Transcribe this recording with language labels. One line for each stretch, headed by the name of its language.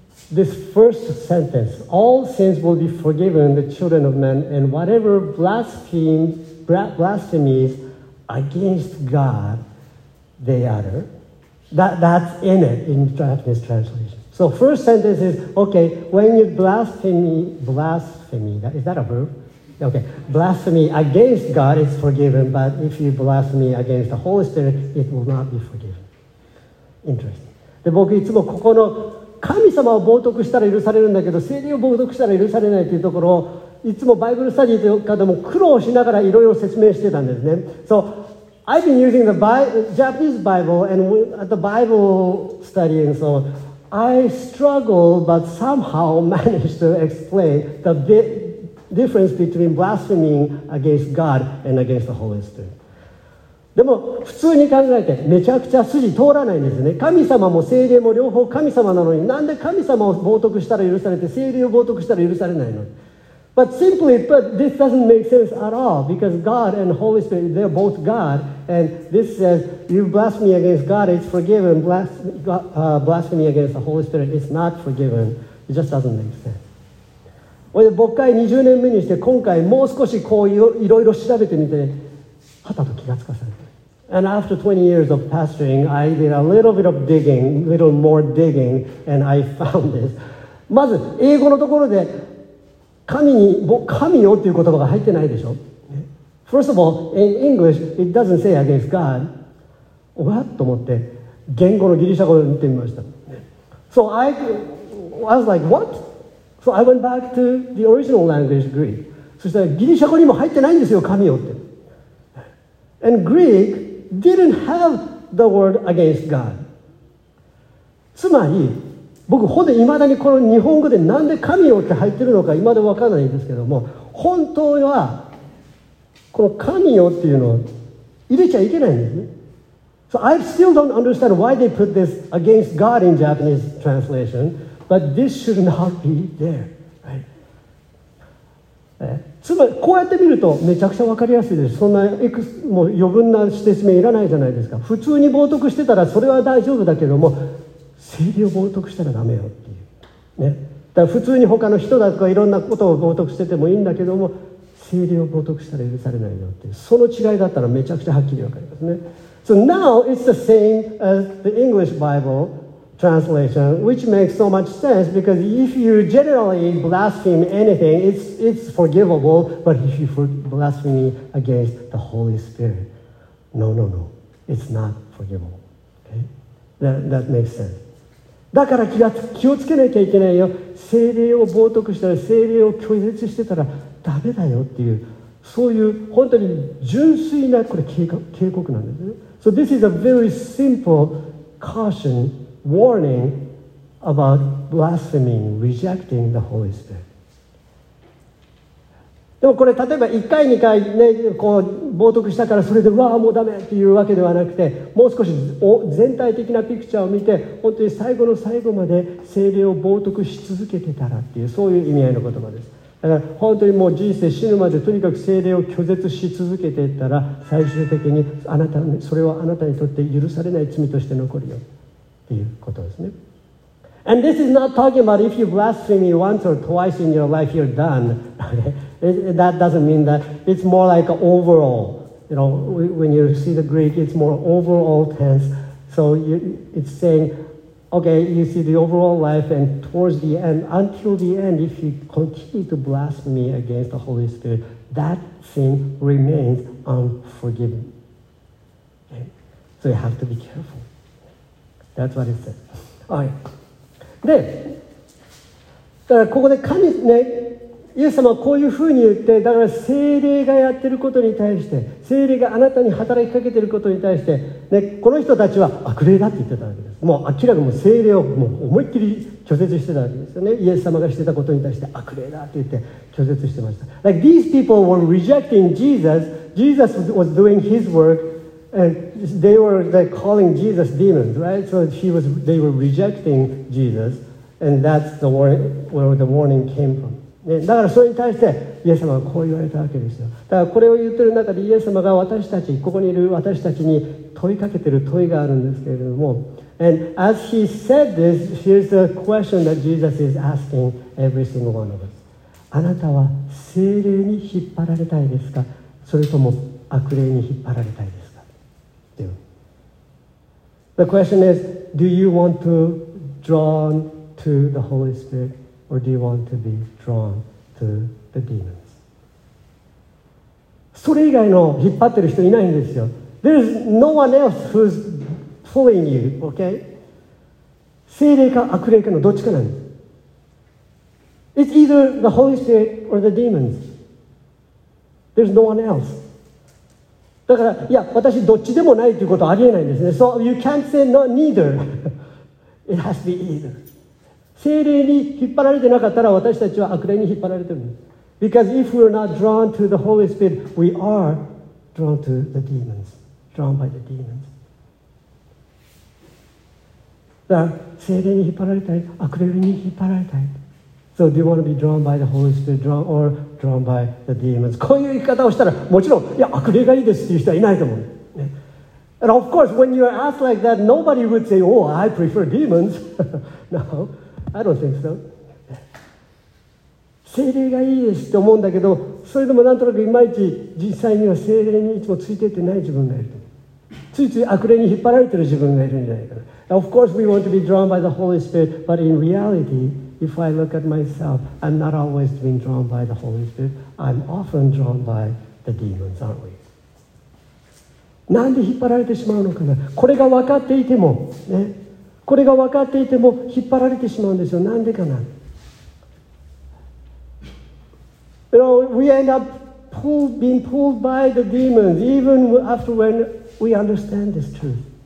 English: This first sentence, all sins will be forgiven the children of men, and whatever blasphemies against God they utter, that's in it in Japanese translation. So first sentence is, okay, when you blaspheme, is that a verb? Okay, blasphemy against God is forgiven, but if you blaspheme against the Holy Spirit, it will not be forgiven. Interesting.
Japanese: で、僕いつもここの神様を冒涜したら許されるんだけど、聖霊を冒涜したら許されないというところをいつもバイブルスタディとかでも苦労しながらいろいろ説明してたんですね。
English: So, I've been using the Japanese Bible and the Bible study and so I struggle but somehow managed to explain the difference between blaspheming against God and against the Holy Spirit.
Japanese: でも普通に考えてめちゃくちゃ筋通らないんですね。神様も聖霊も両方神様なのに、なんで神様を冒涜したら許されて聖霊を冒涜したら許されないの。
English: But simply put, this doesn't make sense at all because God and Holy Spirit, they're both God, and this says you blaspheme against God, it's forgiven. Blasphemy against the Holy Spirit, it's not forgiven. It just doesn't make sense.
Japanese: 俺、牧会20年目にして今回もう少しこういういろいろ調べてみて、はたと気がつかされた。
English: And after 20 years of pastoring, I did a little bit of digging, little more digging, and I found this.
Japanese: まず英語のところで神よという言葉が入ってないでしょ。
English: First of all, in English, it doesn't say against God. What?
Japanese: と思って言語のギリシャ語を見てみました。
English: So I was like, what? So I went back to the original language, Greek.
Japanese: そしたらギリシャ語にも入ってないんですよ、神よって。
English: And Greek didn't have the word against God.
Japanese: つまり、僕ほんと未だにこの日本語でなんで神よって入ってるのか今でわからないんですけども、本当はこの神よっていうのを入れちゃいけないんですね。
English: So I still don't understand why they put this against God in Japanese translation, but this should not be there, right?
Japanese: つまりこうやって見るとめちゃくちゃ分かりやすいです。そんなもう余分な指摘名いらないじゃないですか。普通に冒涜してたらそれは大丈夫だけども、聖霊を冒涜したらダメよっていうね。だから普通に他の人だとかいろんなことを冒涜しててもいいんだけども、聖霊を冒涜したら許されないよっていう、その違いだったらめちゃくちゃはっきり分かりますね。
English: So now it's the same as the English BibleTranslation, which makes so much sense because if you generally blaspheme anything, it's forgivable. But if you blaspheme against the Holy Spirit, no, it's not forgivable. Okay, that makes sense.
Japanese: だから気をつけなきゃいけないよ。聖霊を冒涜したら、聖霊を拒絶してたらダメだよっていう、そういう本当に純粋なこれ警告なんですね。
English: So this is a very simple caution. Warning about blaspheming, rejecting the Holy Spirit.
Japanese: でもこれ例えば1回2回ね、こう冒涜したからそれでわあもうダメっていうわけではなくて、もう少し全体的なピクチャーを見て、本当に最後の最後まで聖霊を冒涜し続けてたらっていう、そういう意味合いの言葉です。だから本当にもう人生死ぬまでとにかく聖霊を拒絶し続けてたら、最終的にあなた、それはあなたにとって許されない罪として残るよ。ということですね。
English: And this is not talking about if you blaspheme once or twice in your life, you're done. That doesn't mean that. It's more like overall. You know, when you see the Greek, it's more overall tense. So it's saying, okay, you see the overall life and towards the end, until the end, if you continue to blaspheme against the Holy Spirit, that sin remains unforgiven. Okay? So you have to be careful. That's what it said.
Japanese: はい、でだからここで神ね、イエス様はこういうふうに言って、だから聖霊がやってることに対して、聖霊があなたに働きかけてることに対して、ね、この人たちは悪霊だって言ってたわけです。もう明らかに聖霊をもう思いっきり拒絶してたわけですよね。イエス様がしてたことに対して悪霊だって言って拒絶してました。
English: Like these people were rejecting Jesus. Jesus was doing his workAnd they were like calling Jesus demons, right? So they were rejecting Jesus, and that's the warning, where the warning came from.
Japanese: だからそれに対してイエス様はこう言われたわけですよ。だからこれを言ってる中でイエス様が私たち、ここにいる私たちに問いかけてる問いがあるんですけれども、
English: And as he said this, here's the question that Jesus is asking every single one of us.
Japanese: あなたは聖霊に引っ張られたいですか？それとも悪霊に引っ張られたいですか？
English: The question is, do you want to drawn to the Holy Spirit or do you want to be drawn to the demons?
Japanese: それ以外の引っ張ってる人いないんですよ。
English: There's no one else who's pulling you, okay?
Japanese: 聖霊か悪霊かのどっちかなんです。
English: It's either the Holy Spirit or the demons. There's no one else.
Japanese: だから、いや、私どっちでもないということはありえないんですね。
English: So you can't say not neither. It has to be either.
Japanese: 聖霊に引っ張られてなかったら私たちは悪霊に引っ張られてるんです。
English: Because if we're not drawn to the Holy Spirit, we are drawn to the demons. Drawn by the demons.
Japanese: だ聖霊に引っ張られたい、悪霊に引っ張られたい。
English: So do you want to be drawn by the Holy Spirit, drawn or drawn by the demons?
Japanese: こういう言い方をしたら、もちろん、いや、悪霊がいいですっていう人はいないと思う。ね、
English: And of course, when you are asked like that, nobody would say, oh, I prefer demons. No, I don't think so.
Japanese: 聖霊がいいですって思うんだけど、それでもなんとなくいまいち実際には聖霊にいつもついていってない自分がいると。ついつい悪霊に引っ張られてる自分がいるんじゃないかな。
English: Of course, we want to be drawn by the Holy Spirit, but in reality, if I look at myself, I'm not always being drawn by the Holy Spirit. I'm often drawn by the demons, aren't we?
Japanese: なんで引っ張られてしまうのかな。これが分かっていても、ね、これが分かっていても引っ張られてしまうんですよ。なんでかな。
English: You know, we end up being pulled by the demons, even after when we understand this truth.